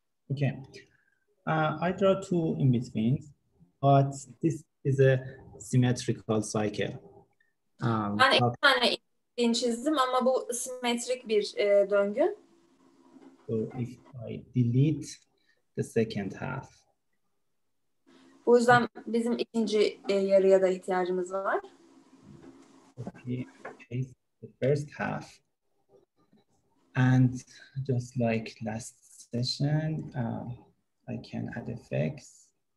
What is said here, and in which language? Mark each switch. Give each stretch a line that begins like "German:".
English: Okay, I draw two in between, but this is a symmetrical cycle.
Turkish: Ben iki tane in between çizdim ama bu simetrik bir döngü.
English: So if I delete the second half.
Turkish: Bu yüzden bizim ikinci yarıya da ihtiyacımız var.
English: Okay, paste the first half. And just like last session, I can add effects.